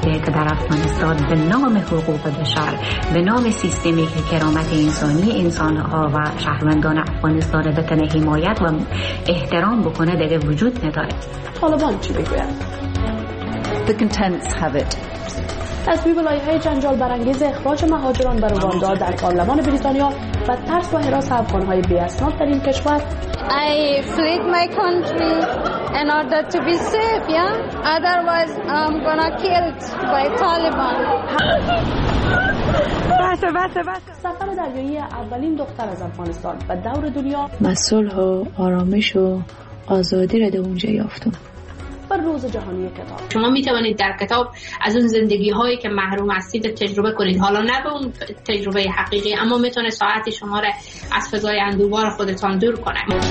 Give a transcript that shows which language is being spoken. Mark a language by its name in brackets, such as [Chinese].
[Persian] که در افغانستان به نام حقوق بشر، به نام سیستمی که کرامت انسانی انسان‌ها و شهروندان افغانستان بتونه حمایت و احترام بکنه دیگه وجود نداره. طالبان چی بگوید؟ [English] The contents have it. [Persian] از بیبلایی‌های جنجال برانگیز اخراج مهاجران به رواندا در پارلمان بریتانیا و ترس و هراس افغان‌های بی‌اسناد در این کشور. [English] I fled my country in order to be safe, yeah? Otherwise I'm gonna killed by Taliban. [Persian] بس. سفر دریایی اولین دختر از افغانستان به دور دنیا. صلح و آرامش و آزادی را در اونجا یافتم. بر روز جهانی کتاب شما می توانید در کتاب از اون زندگی هایی که محروم هستید تجربه کنید، حالا نه به اون تجربه حقیقی، اما می تونه ساعت شما را از فضای اندوبار خودتان دور کنه.